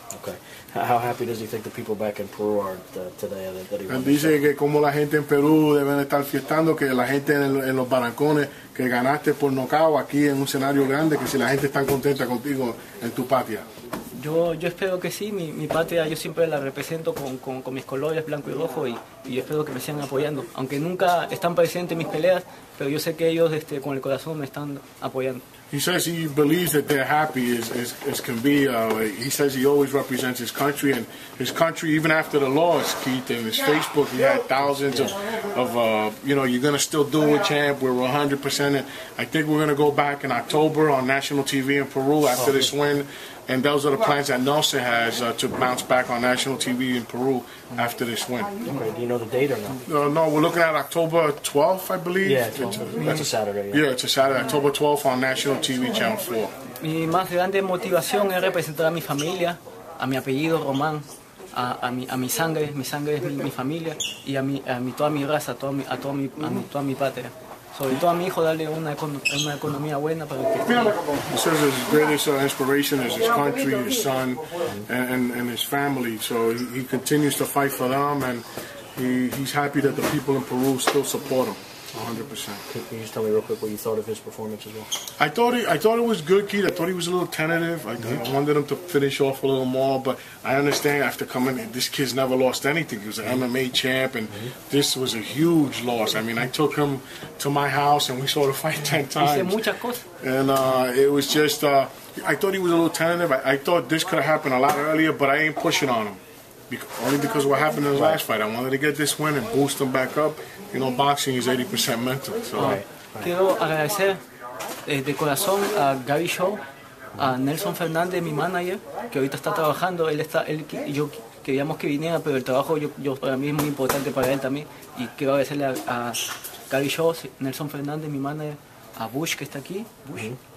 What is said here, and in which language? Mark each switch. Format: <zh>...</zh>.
<en>Okay. How happy does he think the people back in Peru are today? And he</en> <es>dice que como la gente en Perú deben estar fiestando, que la gente en los barancones, que ganaste por nocao aquí en un escenario grande, que si la gente está contenta contigo en tu patria. Yo espero que sí. Mi patria yo siempre la represento con mis colores blanco y rojo, y espero que me sigan apoyando. Aunque nunca están presentes mis peleas, pero yo sé que ellos con el corazón me están apoyando.</es> <en>He says he believes that they're happy as can be. He says he always represents his country, and his country, even after the loss, Keith, and his Facebook, he had thousands you're going to still do it, champ. We're 100%. And I think we're going to go back in October on national TV in Peru after this win. And those are the plans that Nelson has to bounce back on national TV in Peru after this win. Okay, do you know the date or not? No, we're looking at October 12th, I believe. Yeah, 12th. That's a Saturday. Yeah, it's a Saturday, October 12th on national TV, Channel 4.</en> <es>Mi más grande motivación es representar a mi familia, a mi apellido Román, a mi sangre. Mi sangre es mi familia, y a mi toda mi raza, a toda mi patria.</es> <en>He says his greatest inspiration is his country, his son, and his family. So he continues to fight for them, and he's happy that the people in Peru still support him. 100%. Can you just tell me real quick what you thought of his performance as well? I thought it was good, Keith. I thought he was a little tentative. I wanted him to finish off a little more, but I understand after coming in, this kid's never lost anything. He was an MMA champ, and this was a huge loss. I mean, I took him to my house, and we saw the fight 10 times. And it was just, I thought he was a little tentative. I thought this could have happened a lot earlier, but I ain't pushing on him. Only because of what happened in the last fight. I wanted to get this win and boost him back up. You know, boxing is 80% mental. So.</en> <es>Quiero agradecer de corazón a Gary Shaw, a Nelson Fernández, mi manager, que ahorita está trabajando. Él y yo queríamos que viniera, pero el trabajo yo para mí es muy importante para él también. Y quiero agradecerle a Gary Shaw, Nelson Fernández, mi manager, a Bush, que está aquí. Bush. Mm-hmm.</es>